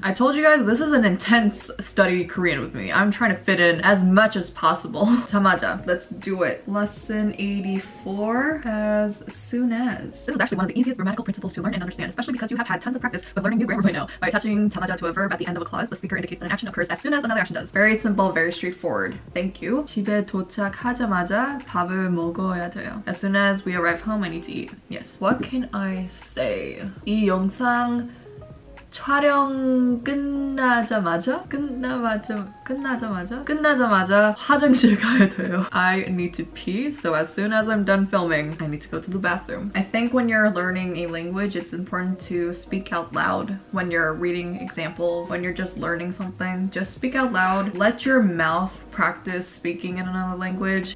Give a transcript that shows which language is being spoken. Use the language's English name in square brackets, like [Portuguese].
[English] I told you guys, this is an intense study Korean with me. I'm trying to fit in as much as possible. 자마자. Let's do it. Lesson 84. As soon as. This is actually one of the easiest grammatical principles to learn and understand, especially because you have had tons of practice with learning new grammar by now. By attaching 자마자 to a verb at the end of a clause, the speaker indicates that an action occurs as soon as another action does. Very simple, very straightforward. Thank you. [Korean] 집에 도착하자마자 밥을 먹어야 돼요. [English] As soon as we arrive home, I need to eat. Yes. What can I say? [Korean] 이 영상 촬영 끝나자마자? 끝나마자? 끝나자마자? 끝나자마자 화장실 가야 돼요. [English] I need to pee, so as soon as I'm done filming, I need to go to the bathroom. I think when you're learning a language, it's important to speak out loud when you're reading examples, when you're just learning something. Just speak out loud. Let your mouth practice speaking in another language.